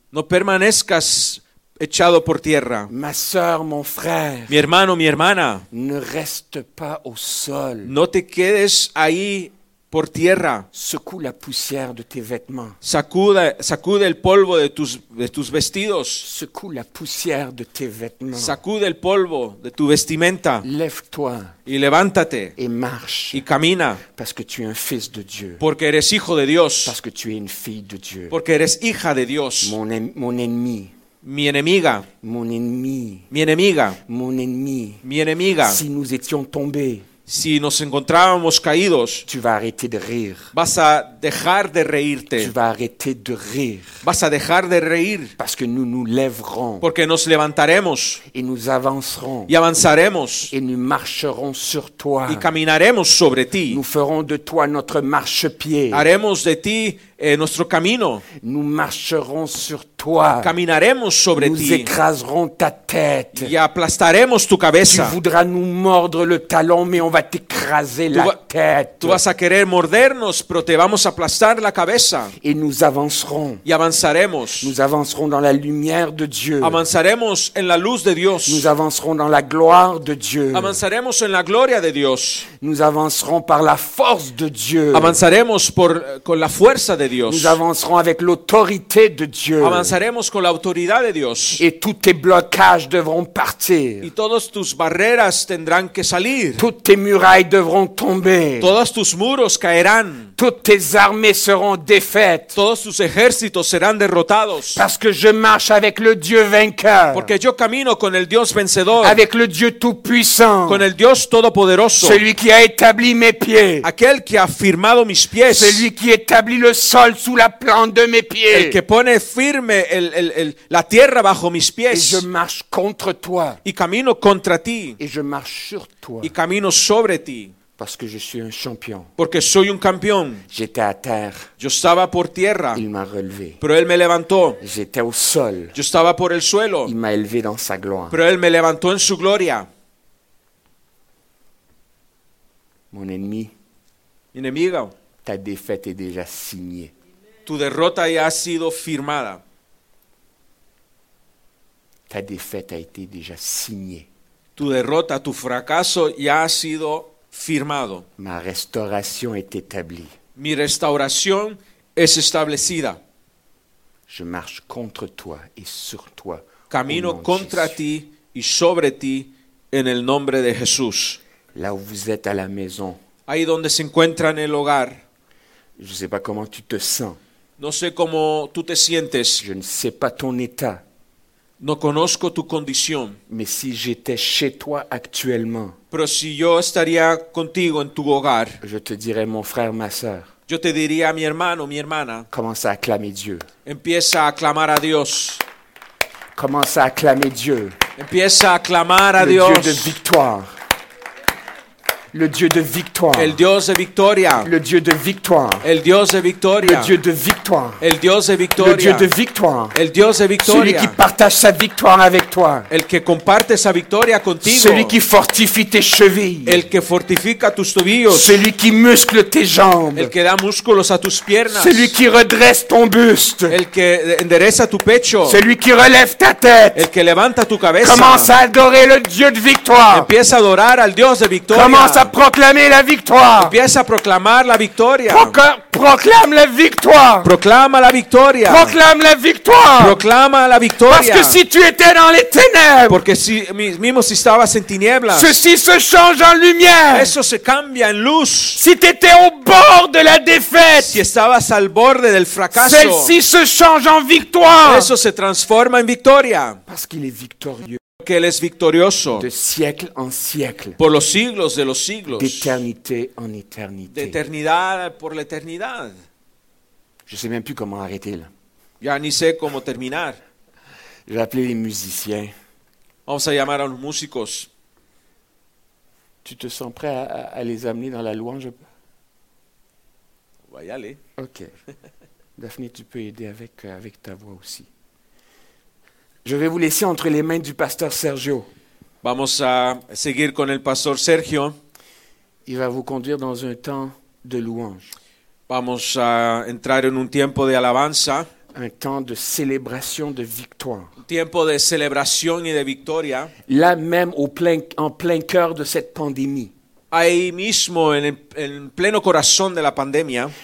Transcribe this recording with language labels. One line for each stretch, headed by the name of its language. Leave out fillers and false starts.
Spanish: No permanezcas echado por tierra.
French: Ma sœur, mon frère.
Spanish: Mi hermano, mi hermana.
French: Ne reste pas au sol.
Spanish: No te quedes ahí por tierra.
French: Secoue la poussière de tes vêtements.
Spanish: Sacude el polvo de tus vestidos.
French: Secoue la poussière de tes vêtements.
Spanish: Sacude el polvo de tu vestimenta.
French: Lève-toi.
Spanish: Y levántate.
French: Et marche.
Spanish: Y camina.
French: Parce que tu es un fils de Dieu.
Spanish: Porque eres hijo de Dios.
French: Parce que tu es une fille de Dieu.
Spanish: Porque eres hija de Dios.
French: Mon ennemi.
Spanish: Mi enemiga.
French: Mon ennemi.
Spanish: Mi enemiga.
French: Mon ennemi.
Spanish: Mi enemiga.
French: Si nous étions tombés.
Spanish: Si nos encontrábamos caídos,
French: tu vas arrêter de rire.
Spanish: Vas a dejar de reírte.
French: Tu vas arrêter de rire.
Spanish: Vas a dejar de reír.
French: Parce que nous lèverons.
Spanish: Porque nos levantaremos.
French: Et nous avancerons.
Spanish: Y avanzaremos.
French: Et nous marcherons sur toi.
Spanish: Y caminaremos sobre ti.
French: Nous ferons de toi notre marchepied.
Spanish: Haremos de ti nuestro camino.
French: Nous marcherons sur toi.
Spanish: Caminaremos sobre
French: nous
Spanish: ti.
French: Nous écraserons ta tête.
Spanish: Y aplastaremos tu cabeza.
French: Tu voudras nous mordre le talon, mais on va t'écraser la tête.
Spanish: Tú vas a querer mordernos, pero te vamos a aplastar la cabeza.
French: Et nous avancerons.
Spanish: Y avanzaremos.
French: Nous avancerons dans la lumière de Dieu.
Spanish: Avanzaremos en la luz de Dios.
French: Nous avancerons dans la gloire de Dieu.
Spanish: Avanzaremos en la gloria de Dios.
French: Nous avancerons par la force de Dieu.
Spanish: Avanzaremos con la fuerza de Dios.
French: Nous avancerons avec l'autorité de Dieu.
Spanish: Avanzaremos con la autoridad de Dios.
French: Et tous tes blocages devront partir.
Spanish: Y todas tus barreras tendrán que salir.
French: Toutes tes murailles devront tomber.
Spanish: Todos tus muros caerán.
French: Toutes tes armées seront défaites.
Spanish: Todos tus ejércitos serán derrotados.
French: Parce que je marche avec le Dieu vainqueur.
Spanish: Porque yo camino con el Dios vencedor.
French: Avec le Dieu tout-puissant.
Spanish: Con el Dios todopoderoso.
French: Celui qui a établi mes pieds.
Spanish: Aquel que ha firmado mis pies.
French: Celui qui établit le sol sous la plante de mes pieds.
Spanish: El que pone firme la tierra bajo mis pies.
French: Et je marche contre toi.
Spanish: Y camino contra ti.
French: Et je marche sur toi.
Spanish: Y camino sobre ti.
French: Parce que je suis un champion.
Spanish: Porque soy un campeón.
French: J'étais à terre.
Spanish: Yo estaba por tierra.
French: Il m'a relevé.
Spanish: Pero él me levantó.
French: J'étais au sol.
Spanish: Yo estaba por el suelo.
French: Il m'a élevé dans sa gloire.
Spanish: Pero él me levantó en su gloria.
French: Mon ennemi.
Spanish: Mi enemigo.
French: Ta défaite est déjà signée.
Spanish: Tu derrota ya ha sido firmada.
French: Ta défaite a été déjà signée.
Spanish: Tu derrota, tu fracaso ya ha sido firmado.
French: Ma restauración est établie.
Spanish: Mi restauración es establecida.
French: Je marche contre toi et sur toi.
Spanish: Camino contra ti y sobre ti en el nombre de Jesús.
French: Là où vous êtes à la maison.
Spanish: Ahí donde se encuentra en el hogar.
French: Je sais pas comment tu te sens.
Spanish: No sé cómo tú te sientes.
French: Je ne sais pas ton état.
Spanish: No conozco tu condición.
French: Mais si j'étais chez toi actuellement.
Spanish: Pero si yo estaría contigo en tu hogar.
French: Je te dirais mon frère, ma sœur.
Spanish: Yo te diría mi hermano, mi hermana.
French: Commence à acclamer Dieu.
Spanish: Empieza a aclamar a Dios.
French: Commence à acclamer Dieu.
Spanish: Empieza a aclamar a
French: le
Spanish: Dios.
French: Dieu de victoire. Le Dieu de victoire.
Spanish: El Dios de victoria.
French: Le Dieu de victoire.
Spanish: El Dios de victoria.
French: Le Dieu de victoire.
Spanish: El Dios de victoria.
French: Le Dieu de victoire.
Spanish: El Dios de victoria.
French: Celui qui partage sa victoire avec toi.
Spanish: El que comparte sa victoria contigo.
French: Celui qui fortifie tes chevilles.
Spanish: El que fortifica tus tobillos.
French: Celui qui muscle tes jambes.
Spanish: El que da músculos a tus piernas.
French: Celui qui redresse ton buste.
Spanish: El que endereza tu pecho.
French: Celui qui relève ta tête.
Spanish: El que levanta tu cabeza.
French: Commence à adorer le Dieu de victoire.
Spanish: Empieza a adorar al Dios de victoria.
French: Commence à proclamer la victoire.
Spanish: Empieza a proclamar la victoria.
French: Proclame la victoire.
Spanish: Proclama la victoria.
French: Proclame la victoire.
Spanish: Proclama la victoria.
French: Parce que si tu étais dans les ténèbres.
Spanish: Porque si mismo si estabas en tinieblas.
French: Ceci se change en lumière.
Spanish: Eso se cambia en luz.
French: Si tu étais au bord de la défaite.
Spanish: Si estabas al borde del fracaso.
French: Celle-ci se change en victoire.
Spanish: Eso se transforma en victoria.
French: Parce qu'il est victorieux.
Spanish: Que él es victorioso
French: de siècle en siècle,
Spanish: por los siglos de los siglos,
French: d'éternité en éternité,
Spanish: de eternidad por la eternidad.
French: Je sais même plus comment arrêter là.
Spanish: Ya ni sé cómo terminar.
French: J'ai appelé les musiciens.
Spanish: Vamos a llamar a los músicos.
French: Tu te sens prêt à les amener dans la louange? On va y aller. Ok. Daphné, tu peux aider avec ta voix aussi. Je vais vous laisser entre les mains du pasteur Sergio.
Spanish: Vamos a seguir con el pastor Sergio.
French: Il va vous conduire dans un temps de louange.
Spanish: Vamos a entrar en un tiempo de alabanza.
French: Un temps de célébration de victoire.
Spanish: Un tiempo de celebración y de victoria.
French: Là même en plein cœur de cette pandémie.
Spanish: Ahí mismo en pleno corazón de la pandemia.